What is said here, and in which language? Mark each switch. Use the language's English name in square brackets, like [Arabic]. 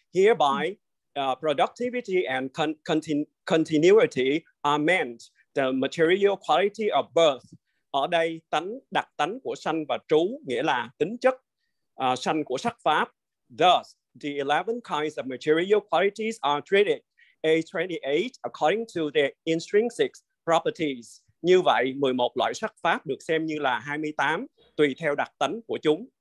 [English] Hereby, productivity and continuity are meant the material quality of birth. [Vietnamese] Ở đây, tánh đặc tánh của sanh và trú, nghĩa là tính chất sanh của sắc pháp. [English] Thus, the 11 kinds of material qualities are treated A28 according to their intrinsic properties. [Vietnamese] Như vậy, 11 loại sắc pháp được xem như là 28 tùy theo đặc tính của chúng.